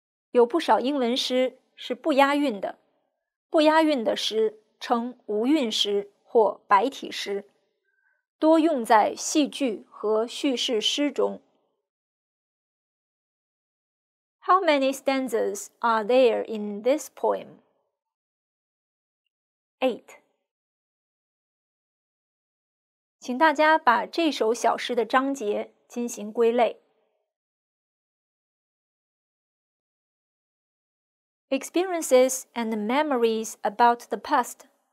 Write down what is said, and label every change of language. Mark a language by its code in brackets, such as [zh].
[zh] 有不少英文诗是不押韵的，不押韵的诗称无韵诗或白体诗，多用在戏剧和叙事诗中。 [en] How many stanzas are there in this poem? 8. [zh] 请大家把这首小诗的章节进行归类。 [en] Experiences and memories about the past.